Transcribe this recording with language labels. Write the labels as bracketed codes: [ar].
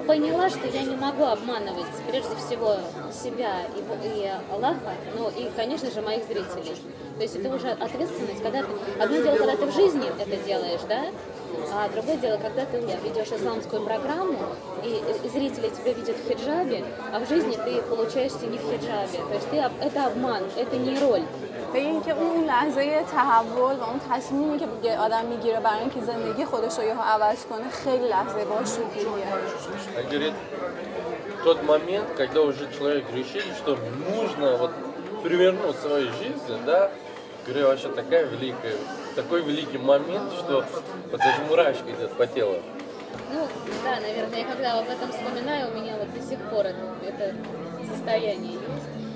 [ru] Поняла, что я не могу обманывать прежде всего себя и Аллаха, ну и, конечно же, моих зрителей. То есть это уже ответственность. Когда ты... Одно дело, когда ты в жизни это делаешь, да? А другое дело, когда ты ведешь исламскую программу, и зрители тебя видят в хиджабе, а в жизни ты получаешься не в хиджабе. То есть ты, это обман, это не роль. [fa] به اینکه اون لحظه تحول و اون تصمیمی که آدم میگیره برای اینکه زندگی خودش رو یهو عوض کنه خیلی لحظه باشکوهیه. [ru] اگر тот момент, когда уже человек решил, что нужно вот перевернуть свою жизнь, да? Говорю, вообще такая великая, такой великий момент, что вот даже мурашки идут по телу. Ну, да, наверное, я когда об этом вспоминаю, у меня вот до сих пор это состояние есть.